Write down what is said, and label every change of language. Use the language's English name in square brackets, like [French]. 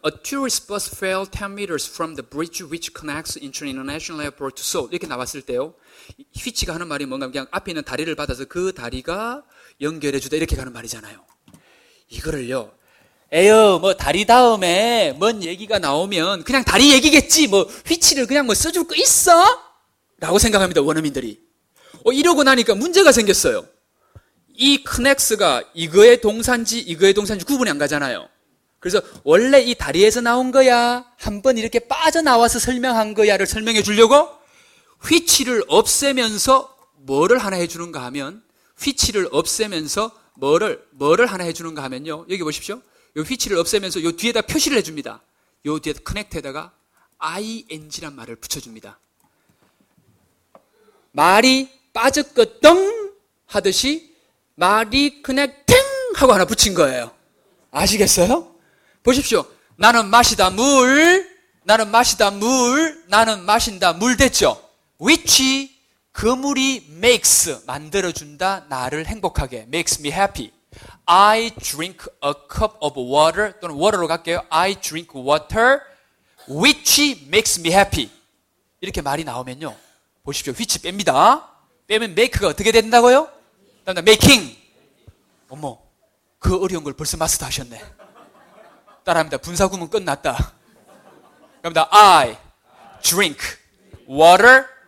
[English] A tourist bus fell 10 meters from the bridge which connects international airport to Seoul. [Korean] 이렇게 나왔을 때요. which가 하는 말이 뭔가 그냥 앞에 있는 다리를 받아서 그 다리가 연결해 주다. 이렇게 가는 말이잖아요. 이거를요. 에요, 뭐 다리 다음에 뭔 얘기가 나오면 그냥 다리 얘기겠지. 뭐 휘치를 그냥 뭐 써줄 거 있어? 라고 생각합니다. 원어민들이. 이러고 나니까 문제가 생겼어요. 이 connects가 이거의 동사인지 이거의 동사인지 구분이 안 가잖아요. 그래서 원래 이 다리에서 나온 거야? 한번 이렇게 빠져나와서 설명한 거야를 설명해 주려고 휘치를 없애면서 뭐를 하나 해주는가 하면 휘치를 없애면서 뭐를 하나 해주는가 하면요. 여기 보십시오. 요 휘치를 없애면서 요 뒤에다 표시를 해줍니다. 요 뒤에 connect에다가 ing란 말을 붙여줍니다. 말이 빠졌거덩 하듯이 말이 커넥팅 하고 하나 붙인 거예요. 아시겠어요? 보십시오. 나는 마신다 물. 나는 마신다 물. 나는 마신다 물 됐죠? [English] Which [Korean] 그물이 [English] makes, [Korean] 만들어준다, 나를 행복하게, [English] makes me happy. I drink a cup of water, [Korean] 또는 water로 갈게요. [English] I drink water, which makes me happy. [Korean] 이렇게 말이 나오면요. 보십시오. which 뺍니다. 빼면 make가 어떻게 된다고요? 다음 making. 어머, 그 어려운 걸 벌써 마스터 하셨네. 따라합니다. 분사구문 끝났다. 갑니다. [English] I drink water.